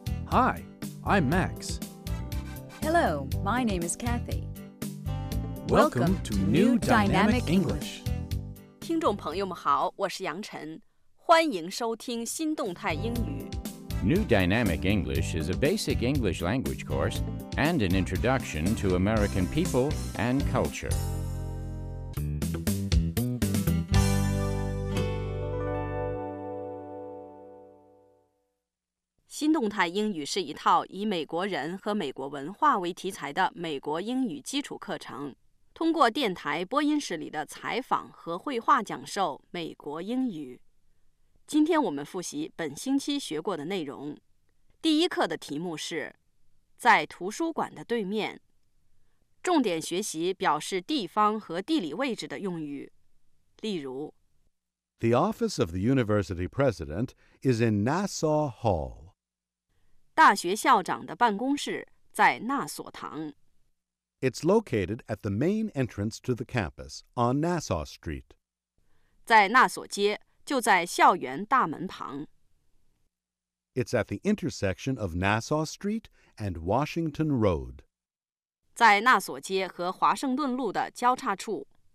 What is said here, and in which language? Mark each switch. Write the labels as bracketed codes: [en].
[en] Hi, I'm Max. Hello, my name is Kathy. Welcome to New Dynamic English. [zh] 听众朋友们好，我是杨晨，欢迎收听新动态英语。 [en] New Dynamic English is a basic English language course and an introduction to American people and culture. [zh] 新动态英语是一套以美国人和美国文化为题材的美国英语基础课程，通过电台播音室里的采访和绘画讲授美国英语。今天我们复习本星期学过的内容。第一课的题目是在图书馆的对面，重点学习表示地方和地理位置的用语，例如 [en] The office of the university president is in Nassau Hall. [zh] 大学校长的办公室在纳索堂。 [en] It's located at the main entrance to the campus on Nassau Street. [zh] 在纳索街，就在校园大门旁。 [en] It's at the intersection of Nassau Street and Washington Road. [zh] 在纳索街和华盛顿路的交叉处。